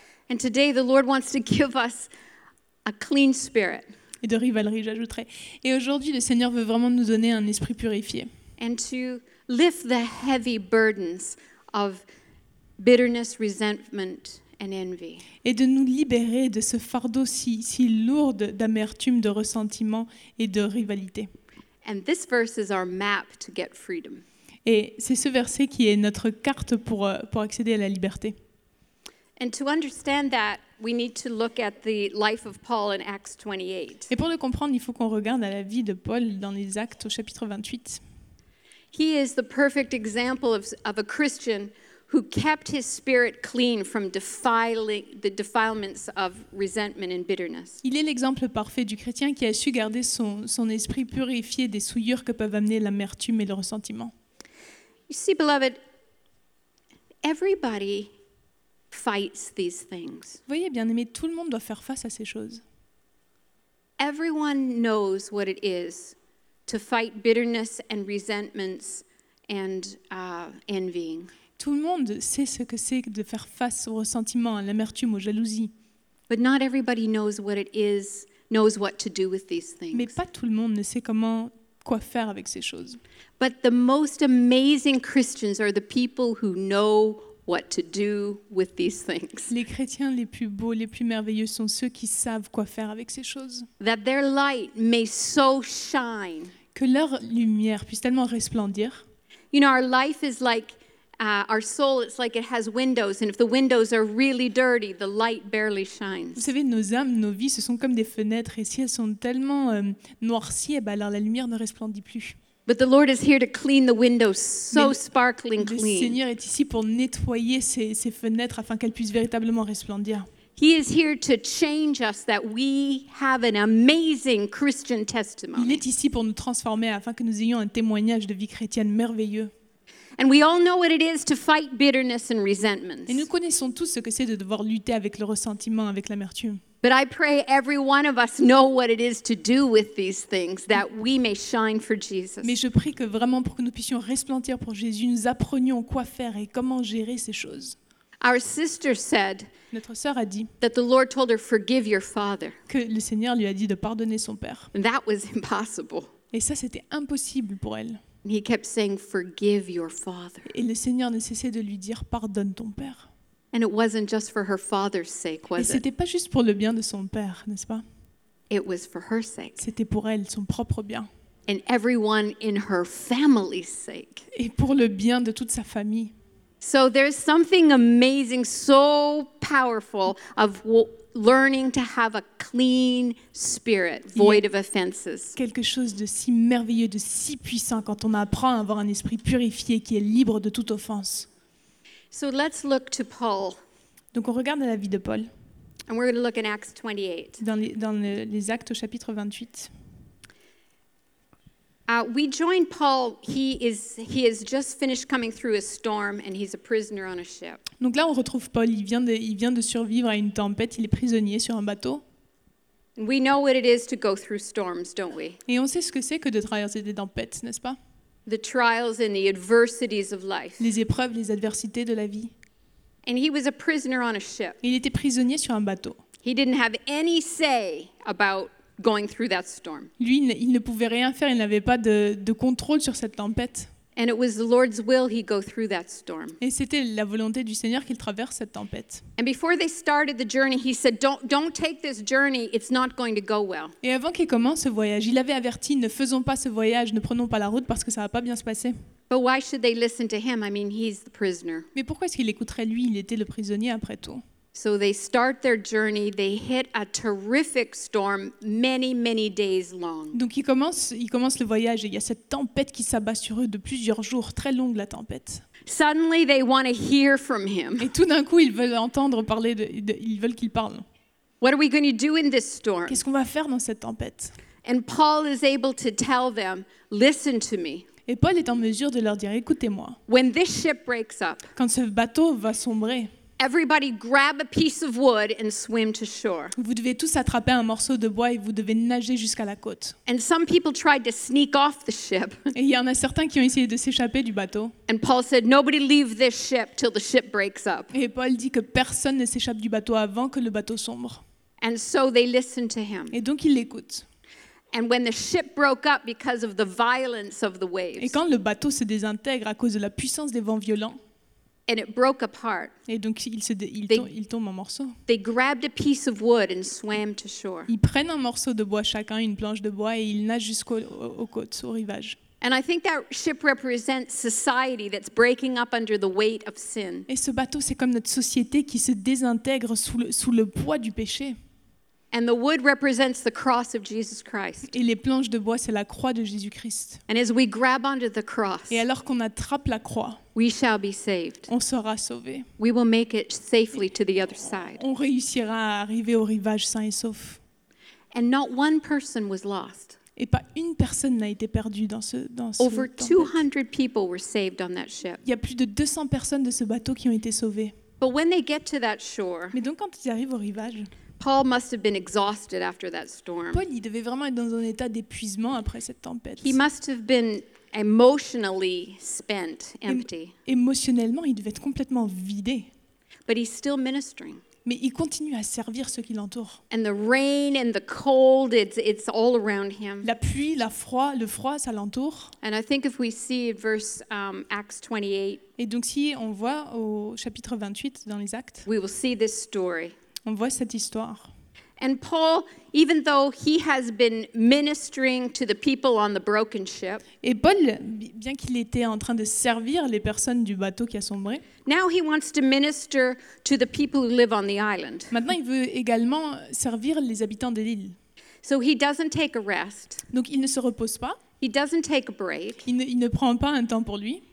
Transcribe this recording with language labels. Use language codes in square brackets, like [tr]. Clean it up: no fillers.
[en] And today the Lord wants to give us a clean spirit. [fr] Et de rivalerie, j'ajouterai. Et aujourd'hui, le Seigneur veut vraiment nous donner un esprit purifié. [en] And to lift the heavy burdens of bitterness, resentment, and envy. [fr] Et de nous libérer de ce fardeau si lourd d'amertume, de ressentiment et de rivalité. [en] And this verse is our map to get freedom. [fr] Et c'est ce verset qui est notre carte pour accéder à la liberté. [en] And to understand that, we need to look at the life of Paul in Acts 28. [fr] Et pour le comprendre, il faut qu'on regarde à la vie de Paul dans les Actes au chapitre 28. [en] He is the perfect example of a Christian who kept his spirit clean from defiling the defilements of resentment and bitterness. [fr] Il est l'exemple parfait du chrétien qui a su garder son esprit purifié des souillures que peuvent amener l'amertume et le ressentiment. [en] You see, beloved, everybody fights these things. [fr] Vous voyez, bien-aimé, tout le monde doit faire face à ces choses. [en] Everyone knows what it is to fight bitterness and resentments and envying. [fr] Tout le monde sait ce que c'est de faire face au ressentiment, à l'amertume, aux jalousies. [en] But not everybody knows what it is, knows what to do with these things. [fr] Mais pas tout le monde ne sait comment quoi faire avec ces choses. [en] But the most amazing Christians are the people who know what to do with these things. [fr] Les chrétiens les plus beaux, les plus merveilleux sont ceux qui savent quoi faire avec ces choses. [en] That their light may so shine. [fr] Que leur lumière puisse tellement resplendir. [en] You know, our life is like our soul, it's like it has windows, and if the windows are really dirty, the light barely shines. [fr] Vous savez, nos âmes, nos vies, ce sont comme des fenêtres, et si elles sont tellement noircies, et ben alors la lumière ne resplendit plus. [en] But the Lord is here to clean the windows so sparkling clean. [fr] Le Seigneur est ici pour nettoyer ces fenêtres afin qu'elles puissent véritablement resplendir. [en] He is here to change us that we have an amazing Christian testimony. [fr] Il est ici pour nous transformer afin que nous ayons un témoignage de vie chrétienne merveilleux. [en] And we all know what it is to fight bitterness and resentments. [fr] Et nous connaissons tous ce que c'est de devoir lutter avec le ressentiment, avec l'amertume. [en] But I pray every one of us know what it is to do with these things, that we may shine for Jesus. [fr] Mais je prie que vraiment pour que nous puissions resplendir pour Jésus, nous apprenions quoi faire et comment gérer ces choses. [en] Our sister said, [fr] notre sœur a dit, [en] that the Lord told her, forgive your father. [fr] Que le Seigneur lui a dit de pardonner son père. [en] That was impossible. [fr] Et ça, c'était impossible pour elle. [en] He kept saying, forgive your father. [fr] Et le Seigneur ne cessait de lui dire, pardonne ton père. [en] And it wasn't just for her father's sake, was it? [fr] Et c'était pas juste pour le bien de son père, n'est-ce pas? [en] It was for her sake. [fr] C'était pour elle, son propre bien. [en] And everyone in her family's sake. [fr] Et pour le bien de toute sa famille. [en] So there's something amazing, so powerful of learning to have a clean spirit, void of offenses. [fr] Quelque chose de si merveilleux, de si puissant quand on apprend à avoir un esprit purifié qui est libre de toute offense. [en] So let's look to Paul. [fr] Donc on regarde la vie de Paul. [en] And we're going to look in Acts 28. [fr] Dans les Actes au chapitre 28. [en] We join Paul. He has just finished coming through a storm and he's a prisoner on a ship. [fr] Donc là on retrouve Paul, il vient de survivre à une tempête, il est prisonnier sur un bateau. [en] We know what it is to go through storms, don't we? [fr] Et on sait ce que c'est que de traverser des tempêtes, n'est-ce pas? [en] The trials and the adversities of life. [fr] Les épreuves, les adversités de la vie. [en] And he was a prisoner on a ship. [fr] Il était prisonnier sur un bateau. [en] He didn't have any say about going through that storm. [fr] Lui, il ne pouvait rien faire. Il n'avait pas de contrôle sur cette tempête. [en] And it was the Lord's will he go through that storm. [fr] Et c'était la volonté du Seigneur qu'il traverse cette tempête. [en] And before they started the journey, he said, "Don't take this journey. It's not going to go well." [fr] Et avant qu'il commence ce voyage, il avait averti, "Ne faisons pas ce voyage. Ne prenons pas la route parce que ça va pas bien se passer." [en] But why should they listen to him? I mean, he's the prisoner. [fr] Mais pourquoi est-ce qu'il écouterait lui? Il était le prisonnier après tout. [en] So they start their journey. They hit a terrific storm, many, many days long. [fr] Donc ils commencent le voyage et il y a cette tempête qui s'abat sur eux de plusieurs jours, très longue la tempête. [en] Suddenly they want to hear from him. [fr] Et tout d'un coup ils veulent entendre parler de ils veulent qu'il parle. [en] What are we going to do in this storm? [fr] Qu'est-ce qu'on va faire dans cette tempête? [en] And Paul is able to tell them, listen to me. [fr] Et Paul est en mesure de leur dire, écoutez-moi. [en] When this ship breaks up. [fr] Quand ce bateau va sombrer. [en] Everybody grab a piece of wood and swim to shore. [fr] Vous devez tous attraper un morceau de bois et vous devez nager jusqu'à la côte. [en] And some people tried to sneak off the ship. [fr] Et il y en a certains qui ont essayé de s'échapper du bateau. [en] And Paul said, "Nobody leave this ship till the ship breaks up." [fr] Et Paul dit que personne ne s'échappe du bateau avant que le bateau sombre. [en] And so they listened to him. [fr] Et donc ils l'écoutent. [en] And when the ship broke up because of the violence of the waves. [fr] Et quand le bateau se désintègre à cause de la puissance des vents violents. [en] And it broke apart. [fr] Et donc ils tombent en morceaux. [en] They grabbed a piece of wood and swam to shore. [fr] Ils prennent un morceau de bois chacun, une planche de bois, et ils nagent jusqu'au aux côtes, au rivage. [en] And I think that ship represents society that's breaking up under the weight of sin. [fr] Et ce bateau, c'est comme notre société qui se désintègre sous le poids du péché. [en] And the wood represents the cross of Jesus Christ. [fr] Et les planches de bois, c'est la croix de Jésus-Christ. [en] And as we grab onto the cross, [fr] et alors qu'on attrape la croix, [en] we shall be saved. [fr] On sera sauvés. [en] We will make it safely to the other side. [fr] On réussira à arriver au rivage sain et sauf. [en] And not one person was lost. [fr] Et pas une personne n'a été perdue dans ce tempête. [en] Over 200 people were saved on that ship. [fr] Il y a plus de 200 personnes de ce bateau qui ont été sauvées. [en] But when they get to that shore, [fr] mais donc quand ils arrivent au rivage, [en] Paul must have been exhausted after that storm. [fr] Paul, il devait vraiment être dans un état d'épuisement après cette tempête. [en] He must have been emotionally spent, empty. [fr] Émotionnellement, il devait être complètement vidé. [en] But he's still ministering. [fr] Mais il continue à servir ceux qui l'entourent. [en] And the rain and the cold, it's all around him. [fr] La pluie, le froid, ça l'entoure. [en] And I think if we see verse Acts 28. [fr] Et donc si on voit au chapitre 28 dans les Actes, [en] we will see this story. [fr] On voit cette histoire. [en] And Paul, even though he has been ministering to the people on the broken ship, [fr] et Paul, bien qu'il était en train de servir les personnes du bateau qui a sombré, [en] now he wants to minister to the people who live on the island. [fr] Maintenant, il veut également servir les habitants de l'île. [en] So he doesn't take a rest. [fr] Donc, il ne se repose pas. [en] He doesn't take a break. [fr] Il ne prend pas un temps pour lui.